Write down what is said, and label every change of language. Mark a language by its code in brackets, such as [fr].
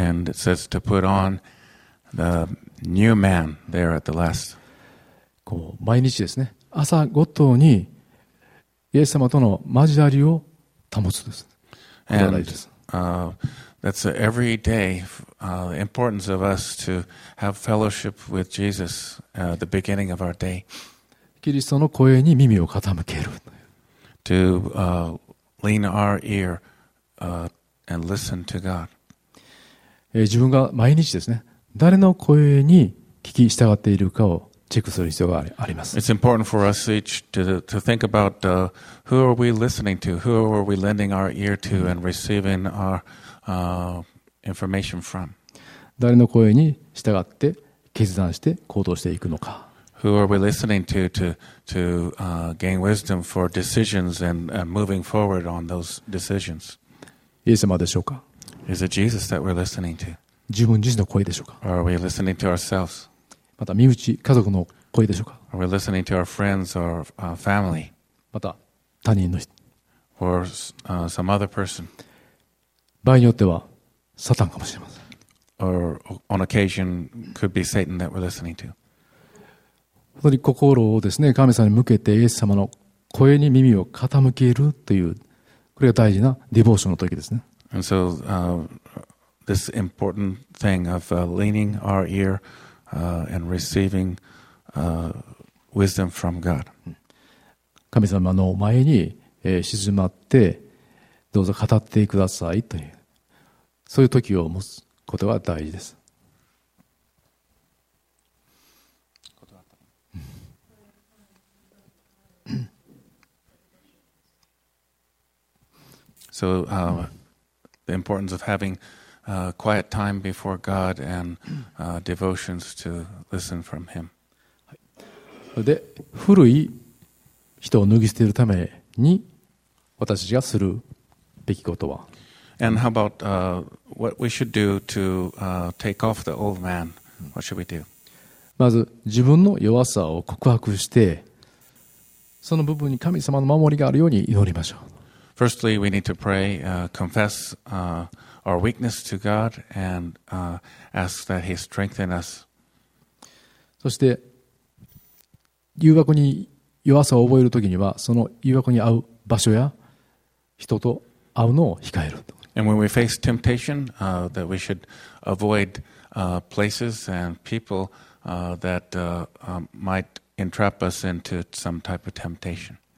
[en] And it says to put on the new man there at the last. [ja] こう毎日ですね。朝ごとにイエス様との交わりを保つです。 [en] And that's every day the importance of us to have fellowship with Jesus the beginning of our day. [ja] キリストの声に耳を傾ける。 [en] To lean our ear and listen to God. [ja] 自分が毎日ですね、誰の声に聞き従っているかをチェックする必要があります。 [en] It's important for us each to think about who are we listening to, who are we lending our ear to and receiving ourinformation from. [ja] 誰の声に従って決断して行動していくのか。 [en] Who are we listening to gain wisdom for decisions and moving forward on those decisions? [ja] イエス様でしょうか。 [en] Is it Jesus that we're listening to? [ja] 自分自身の声でしょうか。 [en] Are we listening to ourselves? [ja] また身内家族の声でしょうか。 [en] Are we listening to our friends or family? [ja] また他人の人。 [en] Or some other person. [ja] 場合によってはサタンかもしれません。 [en] Or on occasion could be Satan that we're listening to. [ja] 本当に心をですね、神様に向けてイエス様の声に耳を傾けるという、これが大事なディボーションの時ですね。 [en] And so this important thing of leaning our ear and receiving wisdom from God. [ja] 神様の前に静まってどうぞ語ってくださいという。そういう時を持つことが大事です。 [en] So, the importance of having quiet time before God and devotions to listen from Him. [ja] で、古い人を脱ぎ捨てるために私たちがするべきことは。 [en] And how about what we should do to take off the old man? What should we do? [ja] まず自分の弱さを告白して、その部分に神様の守りがあるように祈りましょう。 [en] Firstly, we need to pray, confess, our weakness to God and, ask that He strengthen us. [ja] そして誘惑に弱さを覚えるときには、その誘惑に遭う場所や人と会うのを控えると。 [en] And when we face temptation, that we should avoid, places and people, that, might entrap us into some type of temptation.